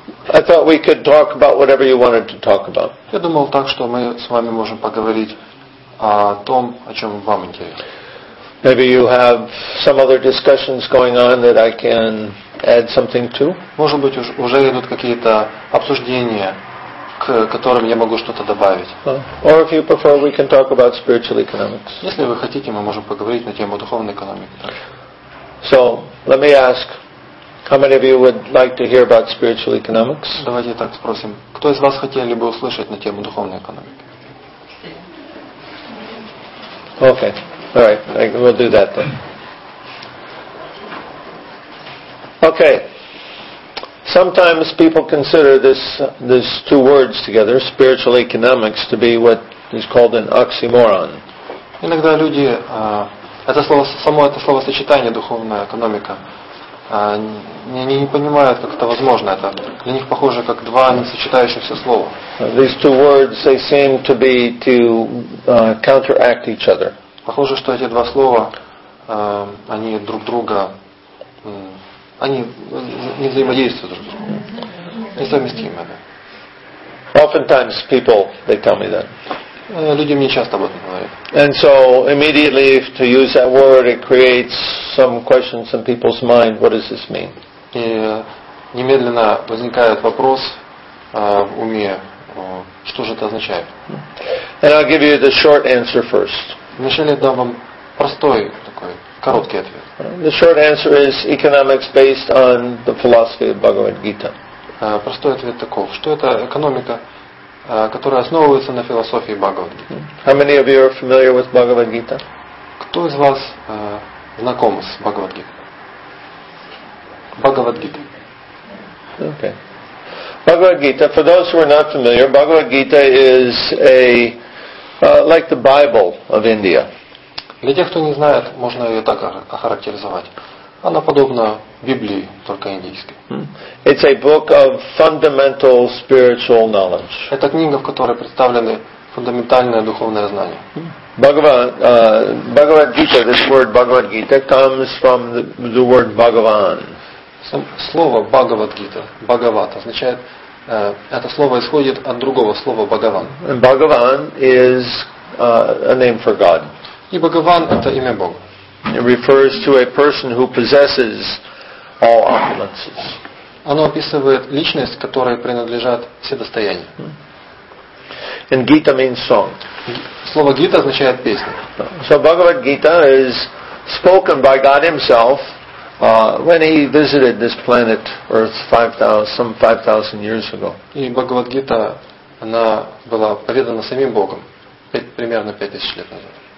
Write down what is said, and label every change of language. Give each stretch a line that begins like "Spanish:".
English: I thought we could talk about whatever you wanted to talk about.
Russian: Я думал так, что мы с вами можем поговорить о том, о чем вам интересно.
English: Maybe you have some other discussions going on that I can add something to.
Russian: Может быть, уже идут какие-то обсуждения, к которым я могу что-то добавить.
English: Or if you prefer, we can talk about spiritual economics.
Russian: Если вы хотите, мы можем поговорить на тему духовной экономики.
English: So, let me ask. How many of you would like to hear about spiritual economics?
Russian: Давайте так спросим. Кто из вас хотели бы услышать на тему духовной экономики?
English: Okay. All right. We'll do that then. Okay. Sometimes people consider this two words together, spiritual economics, to be what is called an oxymoron.
Russian: Иногда люди это словосочетание духовная экономика. Они не понимают, как это возможно. Это для них похоже как два несочетающихся слова.
English: These two words, they seem to be to counteract each other.
Russian: Похоже, что эти два слова, они друг друга, они не взаимодействуют друг с другом. Несовместимы.
English: Oftentimes people, they tell me that.
Russian: Люди мне часто об этом говорят.
English: And so immediately, if to use that word, it creates some questions in people's mind. What does this mean?
Russian: И немедленно возникает вопрос в уме, что же это означает?
English: And I'll give you the short answer first.
Russian: Вначале дам вам простой такой короткий ответ.
English: The short answer is economics based on the philosophy of Bhagavad Gita.
Russian: Простой ответ таков, что это экономика. Которая основывается на философии Бхагавад-гиты.
English: How many of you are familiar with Bhagavad Gita?
Russian: Кто из вас знаком с Бхагавад-гитой? Бхагавад-гита.
English: Okay. Бхагавад-гита. For those who are not familiar, Бхагавад-гита is a like the Bible of India.
Russian: Для тех, кто не знает, можно ее так охарактеризовать. Она подобна Библии, только индийской.
English: It's a book of fundamental spiritual knowledge.
Russian: Это книга, в которой представлены фундаментальные духовные знания.
English: Bhagavad-gita, this word Bhagavad-gita comes from the word Bhagavan.
Russian: Слово Бхагавад-гита, Бхагават, означает, это слово исходит от другого слова Бхагаван.
English: And Bhagavan is a name for God.
Russian: И Бхагаван — это имя Бога.
English: It refers to a person who possesses all opulences.
Russian: Оно описывает личность, которой принадлежат все достояния.
English: And Gita means song.
Russian: Слово Гита означает песня.
English: So Bhagavad-gita is spoken by God Himself when He visited this planet Earth 5,000 years ago.
Russian: И Бхагавад-гита, она была поведана самим Богом примерно 5000 лет назад.